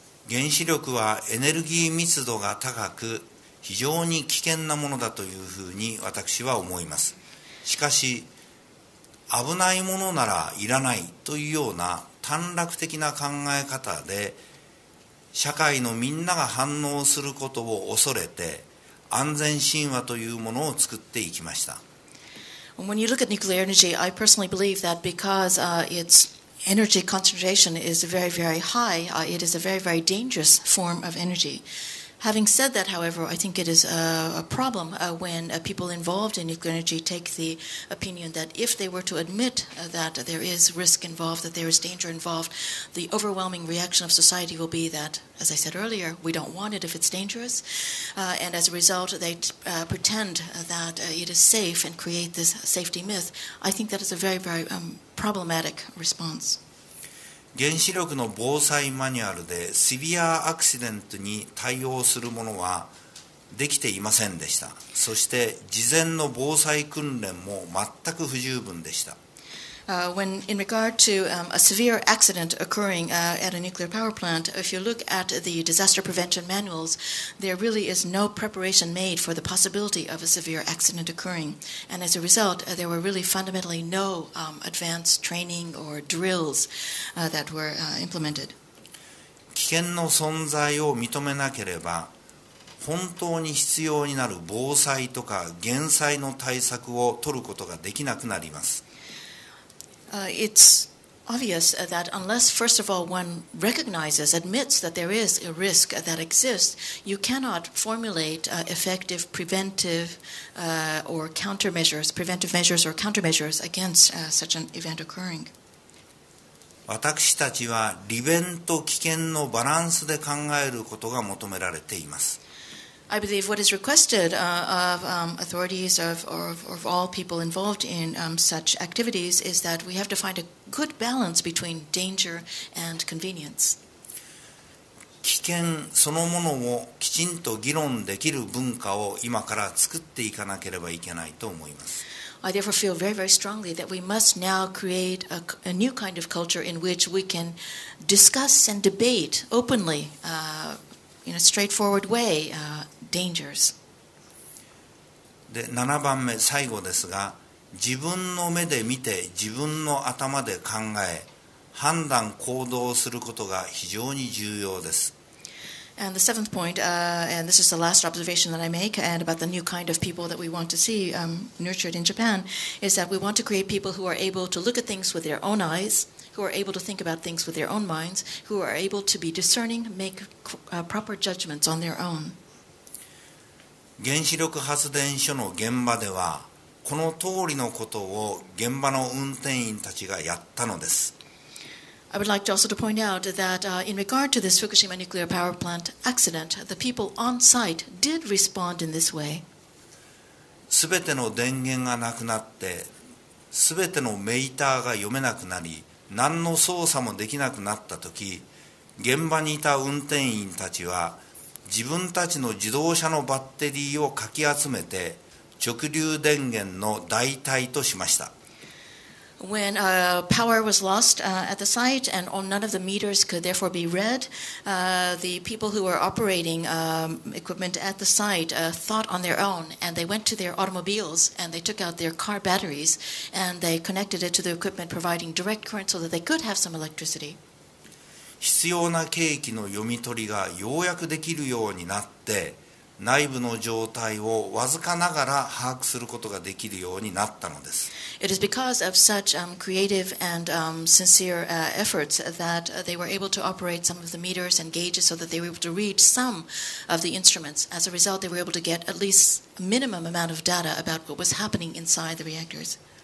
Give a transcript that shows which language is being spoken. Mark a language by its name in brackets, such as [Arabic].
[Japanese] 原子力はエネルギー密度が高く、非常に危険なものだというふうに私は思います。しかし、危ないものならいらないというような短絡的な考え方で社会のみんなが反応することを恐れて安全神話というものを作っていきました。 [English] When you look at nuclear energy, I personally believe that because its energy concentration is very, very high, it is a very, very dangerous form of energy. Having said that, however, I think it is a problem when people involved in nuclear energy take the opinion that if they were to admit that there is risk involved, that there is danger involved, the overwhelming reaction of society will be that, as I said earlier, we don't want it if it's dangerous. And as a result, they pretend that it is safe and create this safety myth. I think that is a very, very problematic response. [Japanese] 原子力の防災マニュアルでシビアアクシデントに対応するものはできていませんでした。そして事前の防災訓練も全く不十分でした。 [English] When in regard to a severe accident occurring at a nuclear power plant, if you look at the disaster prevention manuals, there really is no preparation made for the possibility of a severe accident occurring. And as a result, there were really fundamentally no advanced training or drills that were implemented. [Japanese] 危険の存在を認めなければ、本当に必要になる防災とか減災の対策を取ることができなくなります。 [English] It's obvious that unless, first of all, one recognizes, admits that there is a risk that exists, you cannot formulate effective preventive or countermeasures, preventive measures or countermeasures against such an event occurring. [Japanese] 私たちは利便と危険のバランスで考えることが求められています。 [English] I believe what is requested of authorities of all people involved in such activities is that we have to find a good balance between danger and convenience. [Japanese] 危険そのものをきちんと議論できる文化を今から作っていかなければいけないと思います。 [English] I therefore feel very, very strongly that we must now create a new kind of culture in which we can discuss and debate openly in a straightforward way. Dangers. [Japanese] で、7番目、最後ですが、自分の目で見て、自分の頭で考え、判断、行動することが非常に重要です。 [English] And the seventh point, and this is the last observation that I make, and about the new kind of people that we want to see nurtured in Japan, is that we want to create people who are able to look at things with their own eyes, who are able to think about things with their own minds, who are able to be discerning, make proper judgments on their own. [Japanese] 原子力発電所の現場ではこの通りのことを現場の運転員たちがやったのです。 [English] I would like to also to point out that in regard to this Fukushima nuclear power plant accident, the people on site did respond in this way. [Japanese] すべての電源がなくなって、すべてのメーターが読めなくなり、何の操作もできなくなったとき、現場にいた運転員たちは自分たちの自動車のバッテリーをかき集めて直流電源の代替としました。 [English] When power was lost at the site and none of the meters could therefore be read, the people who were operating equipment at the site thought on their own and they went to their automobiles and they took out their car batteries and they connected it to the equipment providing direct current so that they could have some electricity. [Japanese] 必要な計器の読み取りがようやくできるようになって、内部の状態をわずかながら把握することができるようになったのです。 [English] It is because of such creative and sincere efforts that they were able to operate some of the meters and gauges so that they were able to read some of the instruments. As a result, they were able to get at least a minimum amount of data about what was happening inside the reactors.